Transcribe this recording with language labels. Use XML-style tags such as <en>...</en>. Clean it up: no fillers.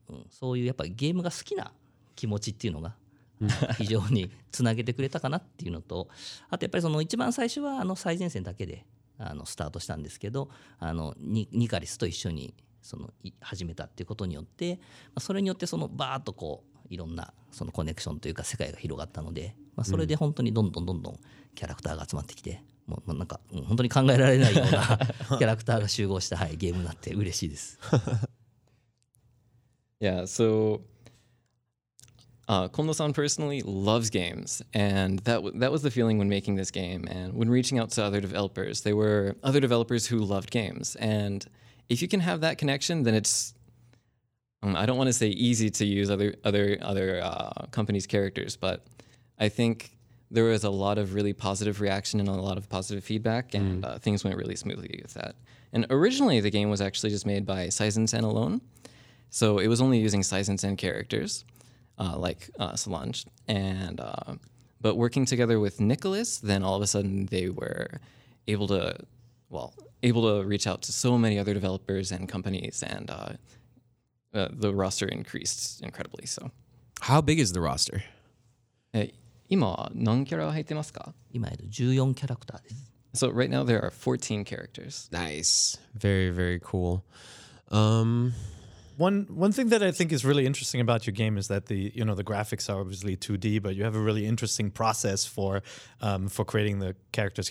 <ja>そういうやっぱゲームが好きな気持ちっていうのが非常につなげてくれたかなっていうのと、あとやっぱりその一番最初は最前線だけでスタートしたんですけど、ニカリスと一緒にその始めたっていうことによって、それによってそのバーッとこういろんなそのコネクションというか世界が広がったので、まあ、それで本当にどんどんどんどんキャラクターが集まってきて、もうなんか本当に考えられないようなキャラクターが集合した、はい、ゲームになって嬉しいです。</ja> <en>Yeah, so Kondo-san personally loves games, and that was the feeling when making this game and when reaching out to other developers. They were other developers who loved games, and if you can have that connection, then it's, I don't want to say easy to use other companies' characters, but I think there was a lot of really positive reaction and a lot of positive feedback, and things went really smoothly with that. And originally, the game was actually just made by Seizensen alone, so it was only using Seizensen characters. Like Solange, and but working together with Nicholas, then all of a sudden they were able to reach out to so many other developers and companies, and the roster increased incredibly. So, how big is the roster?</en> <ja>今何キャラ入ってますか？今14キャラクターです。</ja> <en>So right now there are 14 characters. Nice, very very cool. One thing that I think is really interesting about your game is that the graphics are obviously 2D, but you have a really interesting process for creating the characters.</en>